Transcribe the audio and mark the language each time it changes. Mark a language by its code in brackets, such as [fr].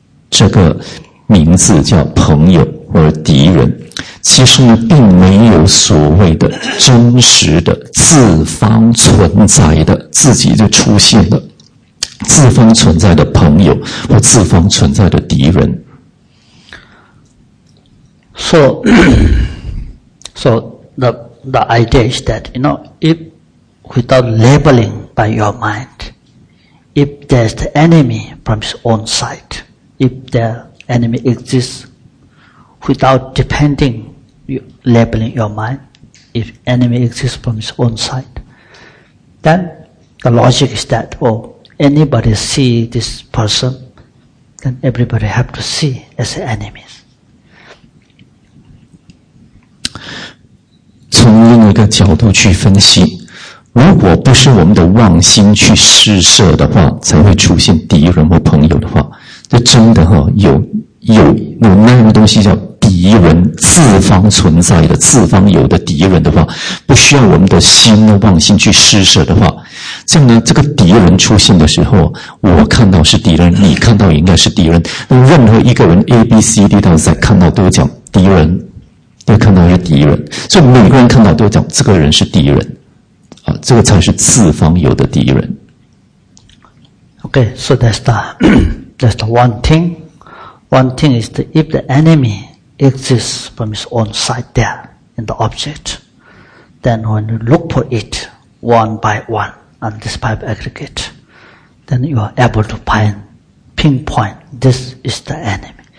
[zh] 这个名字叫朋友或敌人，其实呢，并没有所谓的真实的自方存在的自己就出现的自方存在的朋友或自方存在的敌人。 [en] So the idea is that, you know, if without labeling by your mind, if there's the enemy from his own side, if the enemy exists without depending labeling your mind, if enemy exists from his own side, then the logic is that, oh, anybody see this person, then everybody have to see as enemies. [zh] 从另一个角度去分析，如果不是我们的妄心去施舍的话，才会出现敌人或朋友的话，这真的哈、有那个东西叫敌人，自方存在的自方有的敌人的话，不需要我们的心的妄心去施舍的话，这样呢，这个敌人出现的时候，我看到是敌人，你看到应该是敌人，那任何一个人 A B C D 到 Z 看到都讲敌人。都看到是敌人，所以每个人看到都讲这个人是敌人，啊，这个才是自方有的敌人。 [en] Okay, so that's the one thing. One thing is that if the enemy exists from his own side there in the object, then when you look for it one by one on this five aggregate, then you are able to pinpoint this is the enemy.